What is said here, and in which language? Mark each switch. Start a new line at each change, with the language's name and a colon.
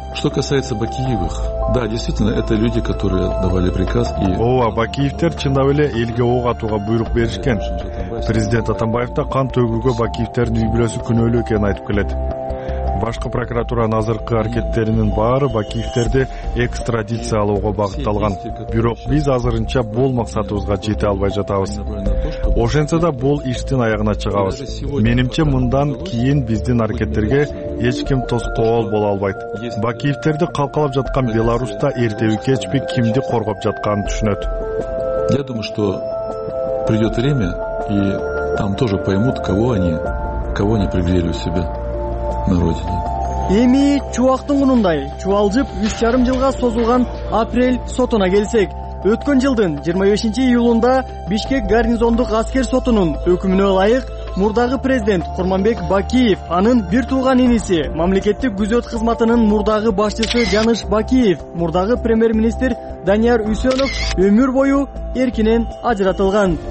Russian: Что касается Бакиевых, да, действительно, это люди, которые давали приказ.
Kyrgyz: Ооба, Бакиевтер чындап эле элге ок атууга буйрук беришкен. Президент Атамбаев да кан төгүүгө Бакиевтердин үй бүлөсү күнөөлүү экенин айтып келет. Башкы прокуратуранын азыркы аракеттеринин баары Бакиевтерди экстрадициялоого багытталган. Бирок биз азырынча бул максатыбызга жете албай жатабыз. Ошентсе да бул иштин аягына чыгабыз. Менимче мындан кийин биздин аракеттерге эч ким тоскоол боло албайт. Бакиевтерди калкалап жаткан Беларусьта эртеби кечпи кимди коргоп жатканын түшүнөт.
Russian: Я думаю, что придет время, и там тоже поймут, кого они пригрели у себя.
Kyrgyz: Эми чубактын кунундай чубалжып 3,5 жылга созулган апрель сотуна келсек, өткөн жылдын 25 июлунда Бишкек гарнизондук аскер сотунун өкүмүнө ылайык мурдагы президент Курманбек Бакиев, анын бир тууган иниси, мамлекеттик күзөт кызматынын мурдагы башчысы Жаныш Бакиев, мурдагы премьер-министр Данияр Үсөнов өмүр бою эркинен ажыратылган.